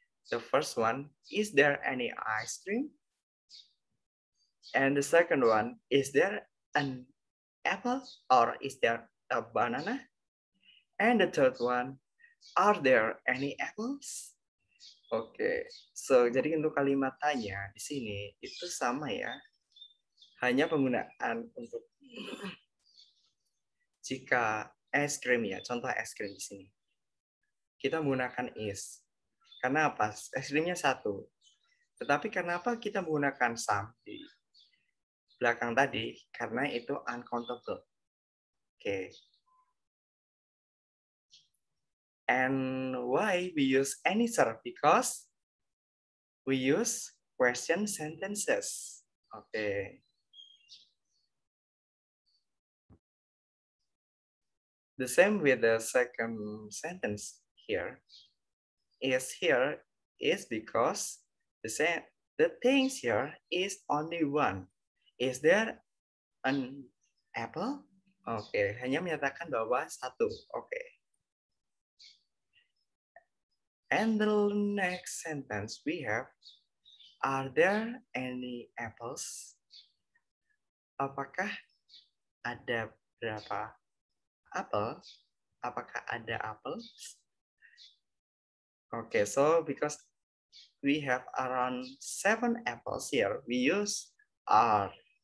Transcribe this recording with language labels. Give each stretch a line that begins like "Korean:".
English: The first one, is there any ice cream? And the second one, is there an apple or is there a banana? And the third one, are there any apples?
Indonesian: Oke, okay. So jadi untuk kalimat tanya di sini itu sama ya, hanya penggunaan untuk jika es krim ya, contoh es krim di sini kita menggunakan is, karena apa? Es krimnya satu, tetapi kenapa kita menggunakan some di belakang tadi? Karena itu uncountable. Oke. Okay.
English: And why we use any sir? Because we use question sentences. Okay. The same with the second sentence here. Is here is because the same the things here is only one. Is there an apple?
Indonesian: Okay, hanya menyatakan bahwa satu.
English: Okay. And the next sentence we have, are there any apples?
Indonesian: Apakah ada berapa apple? Apakah ada apples?
English: Okay, so because we have around 7 apples here, we use are.